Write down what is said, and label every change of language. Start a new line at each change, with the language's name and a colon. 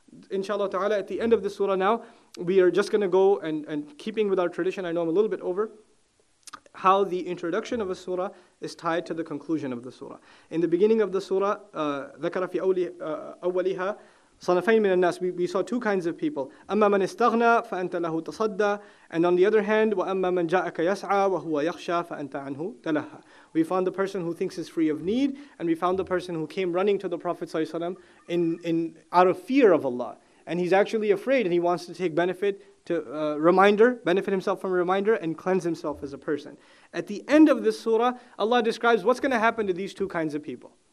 English: Inshallah ta'ala, at the end of the surah now, we are just going to go, and keeping with our tradition, I know I'm a little bit over, how the introduction of a surah is tied to the conclusion of the surah. In the beginning of the surah,
Arabic: ذَكَرَ فِي أَوَّلِهَا صَنَفَيْن مِنَ النَّاسِ,
English: we saw two kinds of people.
Arabic: أَمَّا مَنْ إِسْتَغْنَى فَأَنْتَ لَهُ تَصَدَّى.
English: And on the other hand,
Arabic: وَأَمَّا مَنْ جَاءَكَ يَسْعَى وَهُوَ يَخْشَى فَأَنْتَ عَنْهُ تَلَهَى.
English: We found the person who thinks is free of need, and we found the person who came running to the Prophet ﷺ in out of fear of Allah. And he's actually afraid, and he wants to take benefit to benefit himself from a reminder, and cleanse himself as a person. At the end of this surah, Allah describes what's going to happen to these two kinds of people.